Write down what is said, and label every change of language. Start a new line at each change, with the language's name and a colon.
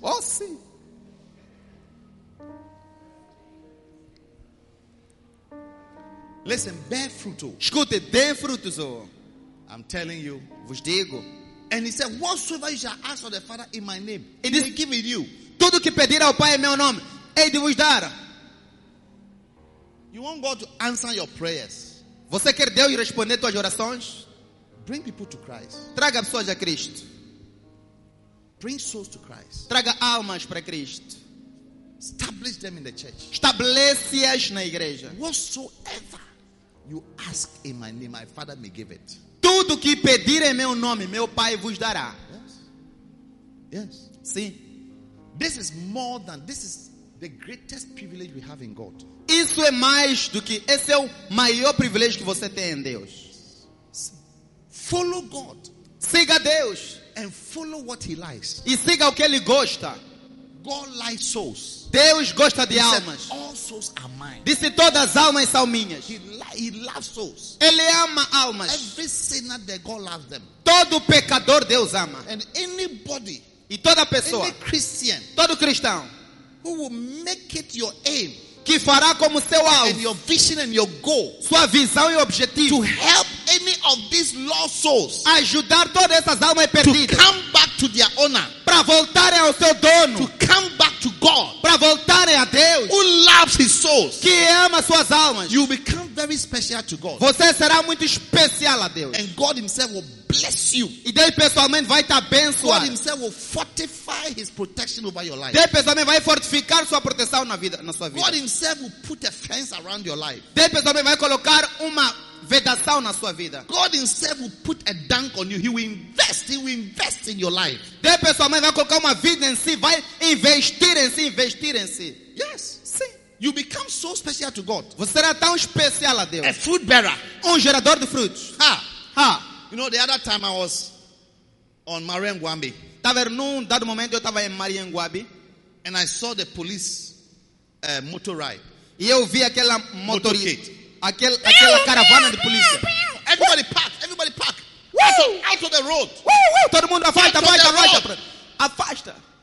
Portuguese: Oh, sim.
English: Listen, bear fruit.
Portuguese: Escute, dê frutos.
English: I'm telling you.
Portuguese: Vos digo.
English: And he said, "Whatsoever you shall ask of the Father in my name, he will give it you."
Portuguese: Tudo que pedir ao Pai em meu nome, hei de vos dar.
English: You want God to answer your prayers?
Portuguese: Você quer Deus responder tuas orações?
English: Bring people to Christ.
Portuguese: Traga pessoas a Cristo.
English: Bring souls to Christ.
Portuguese: Traga almas para Cristo.
English: Establish them in the church.
Portuguese: Estabelece-as na igreja.
English: Whatsoever you ask in my name, my Father may give it.
Portuguese: Tudo que pedir em meu nome, meu Pai vos dará.
English: Yes.
Portuguese: Sim.
English: This is the greatest privilege we have in God.
Portuguese: Isso é mais do que, esse é o maior privilégio que você tem em Deus.
English: Follow God.
Portuguese: Siga Deus.
English: And follow what he likes.
Portuguese: E siga o que ele gosta.
English: God likes souls.
Portuguese: Deus gosta de
English: he
Portuguese: almas.
English: Said, all souls are mine.
Portuguese: Disse todas as almas são minhas.
English: He loves souls.
Portuguese: Ele ama almas.
English: Every sinner that God loves them.
Portuguese: Todo pecador Deus ama.
English: And anybody,
Portuguese: e toda pessoa,
English: any Christian,
Portuguese: todo cristão,
English: who will make it your aim,
Portuguese: que fará como seu alvo,
English: and your vision and your goal,
Portuguese: sua visão e objetivo,
English: to help any of these lost souls,
Portuguese: ajudar todas essas almas perdidas,
English: to come back to their owner,
Portuguese: para voltarem ao seu dono,
English: to come back to God,
Portuguese: para voltarem a Deus,
English: who loves his souls,
Portuguese: que ama suas almas,
English: you become very special to God.
Portuguese: Você será muito especial a Deus.
English: And God himself will bless you.
Portuguese: E Deus pessoalmente vai te abençoar.
English: God himself will fortify his protection over your life.
Portuguese: Deus pessoalmente vai fortificar sua proteção na vida, na sua vida.
English: God himself will put a fence around your life.
Portuguese: Deus pessoalmente vai colocar uma vedação na sua vida.
English: God himself will put a dunk on you. He will invest in your life.
Portuguese: Deus pessoalmente vai colocar uma vidência, vai investir em si.
English: Yes.
Portuguese: Sim.
English: You become so special to God.
Portuguese: Você será tão especial a Deus.
English: A fruit bearer.
Portuguese: Gerador de frutos. Ha.
English: You know, the other time I was on Marianguabe.
Portuguese: Tava num dado momento eu estava em Marianguabe,
English: and I saw the police motor ride.
Portuguese: E eu vi aquela motorista, aquela caravana de polícia.
English: Everybody park! Everybody park! Out of the road!
Portuguese: Woo! Todo mundo afasta, afasta! Afasta!